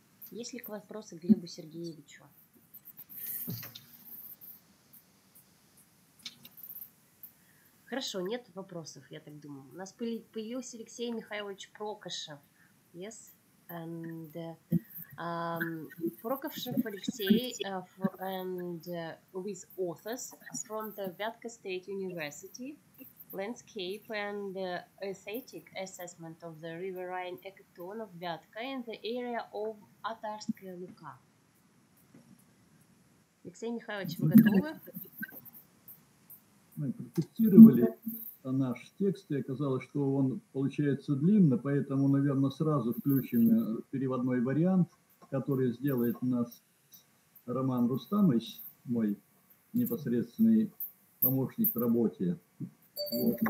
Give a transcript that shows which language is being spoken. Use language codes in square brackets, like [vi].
[ru] Есть ли вопросы к Глебу Сергеевичу? Хорошо, нет вопросов, я так думаю. У нас появился Алексей Михайлович Прокашев. [en] Yes. And Prokashev Alexei and with authors from the Vyatka State University, landscape and aesthetic assessment of the riverine ecotone of Vyatka in the area of Atarskaya Luka. [ru] Алексей Михайлович, вы готовы? Мы протестировали наш текст, и оказалось, что он получается длинно, поэтому, наверное, сразу включим переводной вариант, который сделает нас Роман Рустамович, мой непосредственный помощник в работе. Вот.